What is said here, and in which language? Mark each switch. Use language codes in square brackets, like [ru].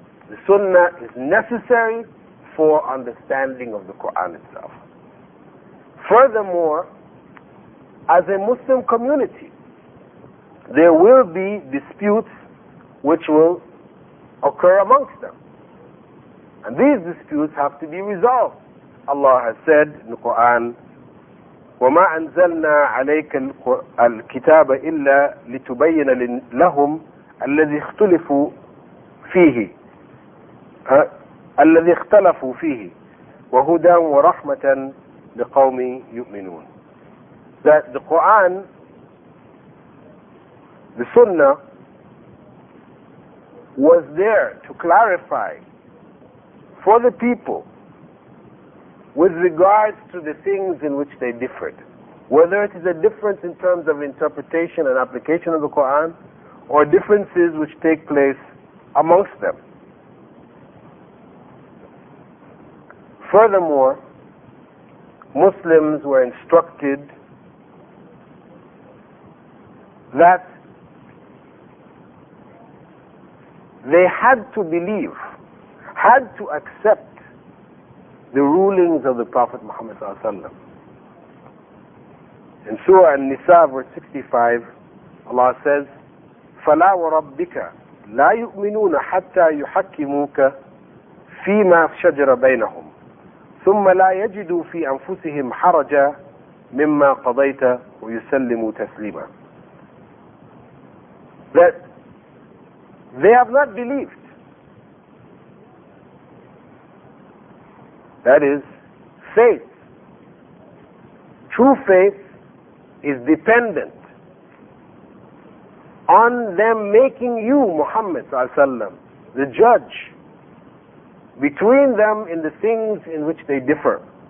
[en] The sunnah is necessary for understanding of the Quran itself. Furthermore, as a Muslim community, there will be disputes which will occur amongst them. And these disputes have to be resolved. Allah has said in the Quran, [ar] وَمَا أَنزَلْنَا عَلَيْكَ الْكِتَابَ إِلَّا لِتُبَيِّنَ لَهُمْ الَّذِي اخْتُلِفُوا فِيهِ الَّذِي اخْتَلَفُوا فِيهِ وَهُدًى وَرَحْمَةً لِقَوْمِ يُؤْمِنُونَ. [en] That the Quran, the Sunnah, was there to clarify for the people with regards to the things in which they differed. Whether it is a difference in terms of interpretation and application of the Quran, or differences which take place amongst them. Furthermore, Muslims were instructed that they had to believe, had to accept the rulings of the Prophet Muhammad sallallahu alaihi wasallam. In Surah An-Nisa, verse 65, Allah says, [ar] فَلَا وَرَبِّكَ لَا يُؤْمِنُونَ حَتَّى يُحَكِّمُوكَ فِي مَا شَجَرَ بَيْنَهُمْ ثُمَّ لَا يَجِدُوا فِي أَنفُسِهِمْ حَرَجًا مِمَّا قَضَيْتَ وَيُسَلِّمُوا تَسْلِيمًا. [en] That they have not believed. That is, faith. True faith is dependent on them making you, Muhammad sallallahu alaihi wasallam, the judge between them in the things in which they differ.